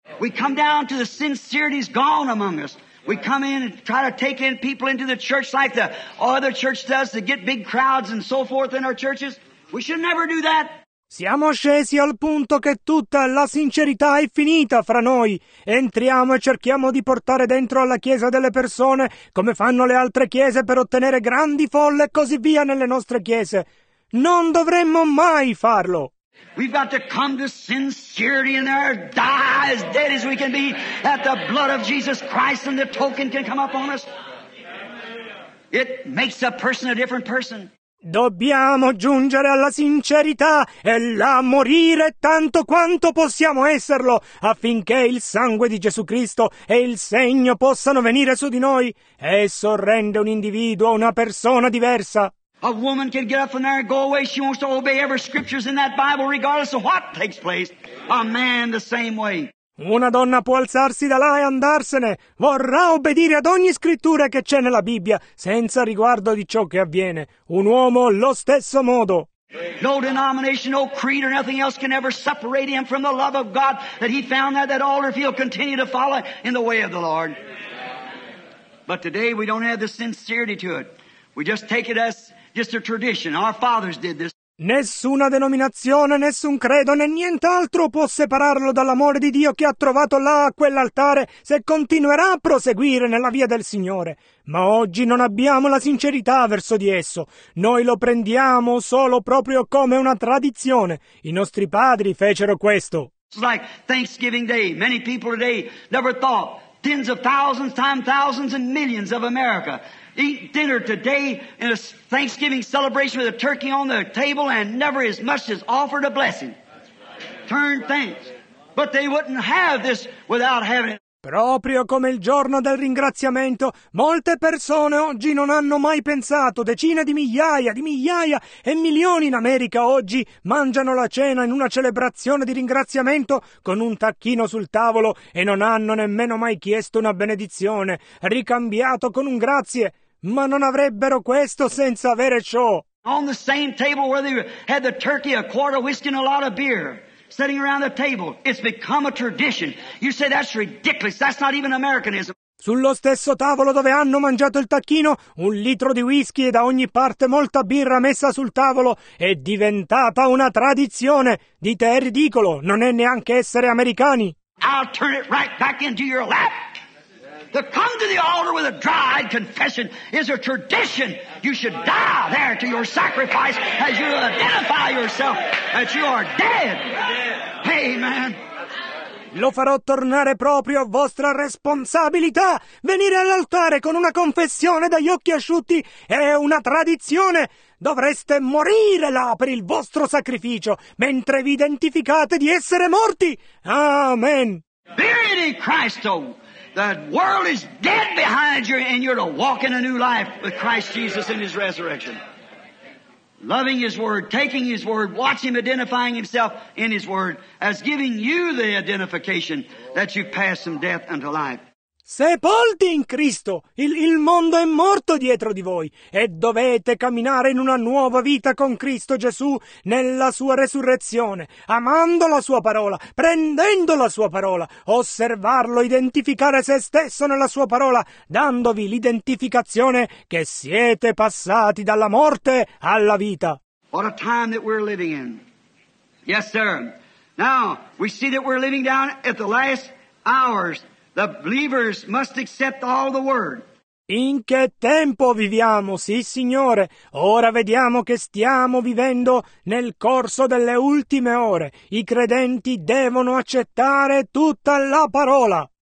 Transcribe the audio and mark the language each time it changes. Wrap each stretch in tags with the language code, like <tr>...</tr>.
<en>We come down to the sincerity's gone among us. We come in and try to take in people into the church like the other church does to get big crowds and so forth in our churches. We should never do that.</en> <it>Siamo scesi al punto che tutta la sincerità è finita fra noi. Entriamo e cerchiamo di portare dentro alla chiesa delle persone come fanno le altre chiese per ottenere grandi folle e così via nelle nostre chiese. Non dovremmo mai farlo.</it> <en>We've got to come to sincerity in there, die as dead as we can be, that the blood of Jesus Christ and the token can come up on us. It makes a person a different person.</en> <it>Dobbiamo giungere alla sincerità e là morire tanto quanto possiamo esserlo, affinché il sangue di Gesù Cristo e il segno possano venire su di noi. Esso rende un individuo una persona diversa.</it> <en>A woman can get up from there and go away. She wants to obey every scriptures in that Bible regardless of what takes place. A man the same way.</en> <it>Una donna può alzarsi da là e andarsene. Vorrà obbedire ad ogni scrittura che c'è nella Bibbia, senza riguardo di ciò che avviene. Un uomo lo stesso modo.</it> <en>No denomination, no creed or nothing else can ever separate him from the love of God that he found there, that altar, if he'll continue to follow in the way of the Lord. But today we don't have the sincerity to it. We just take it as just a tradition. Our fathers did this.</en> <it>Nessuna denominazione, nessun credo, né nient'altro può separarlo dall'amore di Dio che ha trovato là a quell'altare se continuerà a proseguire nella via del Signore. Ma oggi non abbiamo la sincerità verso di esso. Noi lo prendiamo solo proprio come una tradizione. I nostri padri fecero questo.</it> <en>It's like Thanksgiving Day. Many people today never thought. Tens of thousands, times thousands and millions of America eat dinner today in a Thanksgiving celebration with a turkey on the table and never as much as offered a blessing. Turn thanks. But they wouldn't have this without having it.</en> <it>Proprio come il giorno del ringraziamento, molte persone oggi non hanno mai pensato, decine di migliaia e milioni in America oggi mangiano la cena in una celebrazione di ringraziamento con un tacchino sul tavolo e non hanno nemmeno mai chiesto una benedizione, ricambiato con un grazie, ma non avrebbero questo senza avere ciò.</it> <en>On the same table where they had the turkey, a quart of whiskey and a lot of beer. Sitting around the table, it's become a tradition. You say that's ridiculous, that's not even Americanism.</en> <it>Sullo stesso tavolo dove hanno mangiato il tacchino, un litro di whisky e da ogni parte molta birra messa sul tavolo, è diventata una tradizione. Dite, è ridicolo, non è neanche essere americani.</it> <en>I'll turn it right back into your lap. To come to the altar with a dry confession is a tradition. You should die there to your sacrifice as you identify yourself that you are dead. Amen.</en> <it>Lo farò tornare proprio a vostra responsabilità. Venire all'altare con una confessione dagli occhi asciutti è una tradizione. Dovreste morire là per il vostro sacrificio mentre vi identificate di essere morti. Amen.</it> <en>Buried in Christ, oh. The world is dead behind you and you're to walk in a new life with Christ Jesus in his resurrection. Loving his word, taking his word, watch him identifying himself in his word as giving you the identification that you've passed from death unto life.</en> <it>sepolti in Cristo! Il mondo è morto dietro di voi e dovete camminare in una nuova vita con Cristo Gesù nella sua resurrezione, amando la sua parola, prendendo la sua parola, osservarlo, identificare se stesso nella sua parola, dandovi l'identificazione che siete passati dalla morte alla vita.</it> <en>What a time that we're living in. Yes, sir. Now, we see that we're living down at the last hours. The believers must accept all the word.</en> <it>In che tempo viviamo, sì, Signore? Ora vediamo che stiamo vivendo nel corso delle ultime ore. I credenti devono accettare tutta la parola.</it>